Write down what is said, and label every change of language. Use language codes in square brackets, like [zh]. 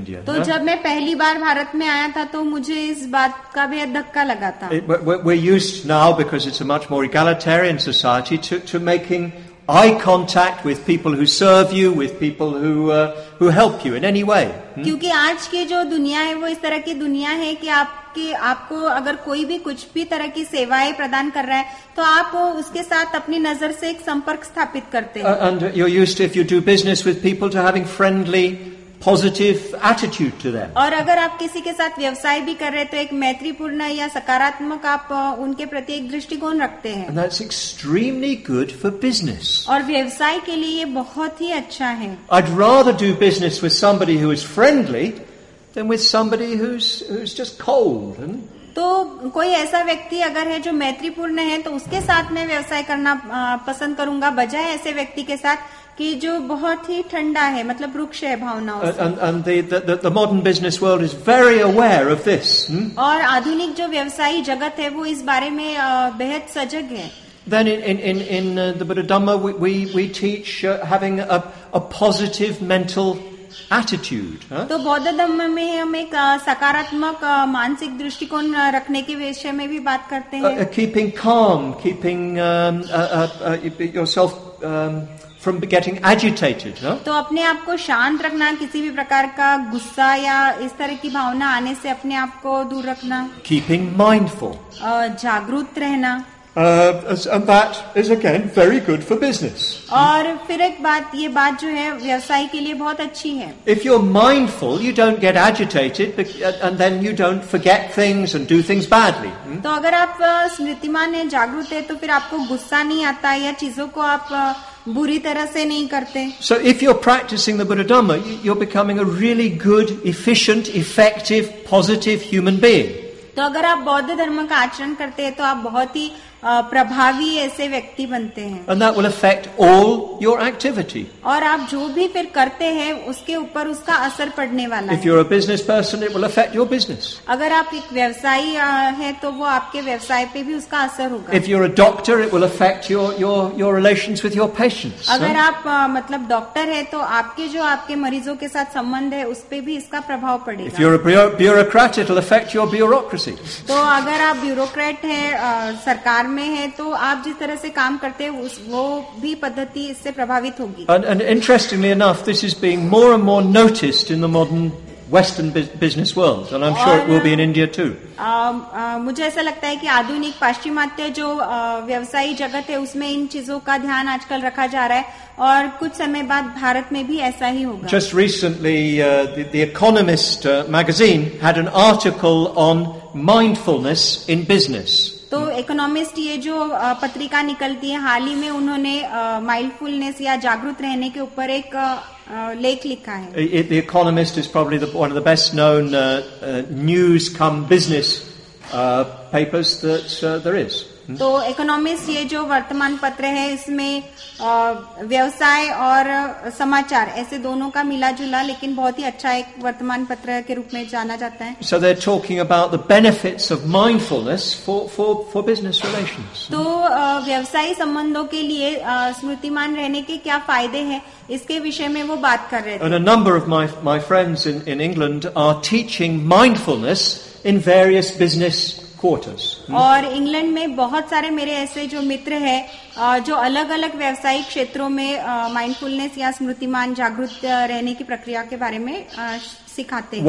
[hi] तो जब मैं पहली बार भारत में आया था तो मुझे इस बात का बेहद धक्का लगा था. [en] We're used now because it's a much more egalitarian society to making eye contact with people who serve you, with people who help you in any way. [hi] क्योंकि आज की जो दुनिया है वो इस तरह की दुनिया है कि आपके आपको अगर कोई भी कुछ भी तरह की सेवाएं प्रदान कर रहा है तो आप उसके साथ अपनी नजर से एक संपर्क स्थापित करते हैं. [en] And you're used to, if you do business with people, to having friendly, positive attitude to them. [hi] और अगर आप किसी के साथ व्यवसाय भी कर रहे हैं तो एक मैत्रीपूर्ण या सकारात्मक आप उनके प्रति एक दृष्टिकोण रखते हैं. [en] And that's extremely good for business. [hi] और व्यवसाय के लिए ये बहुत ही अच्छा है. [en] I'd rather do business with somebody who is friendly than with somebody who's just cold. [hi] तो कोई ऐसा व्यक्ति अगर है जो मैत्रीपूर्ण है तो उसके साथ मैं व्यवसाय करना पसंद करूंगा बजाय ऐसे व्यक्ति के साथ कि जो बहुत ही ठंडा है मतलब रुक्ष है भावनाओं से. [en] And the modern business world is very aware of this. [hi] और आधुनिक जो व्यवसायी जगत है वो इस बारे में बेहद सजग है. [en] Then in the Buddha Dhamma we teach having a positive mental attitude. [hi] तो बौद्ध धम्म में हम एक सकारात्मक मानसिक दृष्टिकोण रखने के विषय में भी बात करते हैं. [en] Keeping calm, keeping yourself from getting agitated. [hi] तो अपने आप को शांत रखना किसी भी प्रकार का गुस्सा या इस तरह की भावना आने से अपने आप को दूर रखना. [en] Keeping mindful. [hi] जागरूक रहना. [en] And that is again very good for business. [hi] और फिर एक बात ये बात जो है व्यवसाय के लिए बहुत अच्छी है. [en] If you're mindful, you don't get agitated, and then you don't forget things and do things badly. [hi] तो अगर आप स्मृतिमान हैं, जागरूक हैं, तो फिर आपको गुस्सा नहीं आता या चीजों को आप बुरी तरह से नहीं करते. [en] So if you're practicing the Buddha Dhamma, you're becoming a really good, efficient, effective, positive human being. [hi] तो अगर आप बौद्ध धर्म का आचरण करते हैं तो आप बहुत ही प्रभावी ऐसे व्यक्ति बनते हैं. [en] And that will affect all your activity. [hi] और आप जो भी फिर करते हैं उसके ऊपर उसका असर पड़ने वाला है. [en] If you're a business person, it will affect your business. [hi] अगर आप एक व्यवसायी हैं तो वो आपके व्यवसाय पे भी उसका असर होगा. [en] If you're a doctor, it will affect your relations with your patients. [hi] अगर आप मतलब डॉक्टर हैं तो आपके जो आपके मरीजों के साथ संबंध है उस पे भी इसका प्रभाव पड़ेगा. [en] If you're a bureaucrat, it will affect your bureaucracy. [hi] तो अगर आप ब्यूरोक्रेट हैं सरकार में है तो आप जिस तरह से काम करते हैं उस वो भी पद्धति इससे प्रभावित होगी. [en] And interestingly enough, this is being more and more noticed in the modern Western business world, and I'm sure it will be in India too. [hi] मुझे ऐसा लगता है कि आधुनिक पाश्चिमात्य जो व्यवसायी जगत है उसमें इन चीजों का ध्यान आजकल रखा जा रहा है और कुछ समय बाद भारत में भी ऐसा ही होगा. [en] Just recently, the Economist magazine had an article on mindfulness in business. [hi] तो इकोनॉमिस्ट ये जो पत्रिका निकलती है हाल ही में उन्होंने माइंडफुलनेस या जागरूक रहने के ऊपर एक लेख लिखा है. [en] The Economist is probably one of the best known news come business papers that there is. [hi] तो इकोनॉमिस्ट ये जो वर्तमान पत्र है इसमें व्यवसाय और समाचार ऐसे दोनों का मिला जुला लेकिन बहुत ही अच्छा एक वर्तमान पत्र के रूप में जाना जाता है. [en] So they're talking about the benefits of mindfulness for business relations. [hi] तो व्यवसायी संबंधों के लिए स्मृतिमान रहने के क्या फायदे हैं इसके विषय में वो बात कर रहे थे. [en] And a number of my friends in England are teaching mindfulness in various business quarters. [hi] और इंग्लैंड में बहुत सारे मेरे ऐसे जो मित्र हैं जो अलग अलग व्यावसायिक क्षेत्रों में माइंडफुलनेस या स्मृतिमान जागरूक रहने की प्रक्रिया के बारे में सिखाते हैं.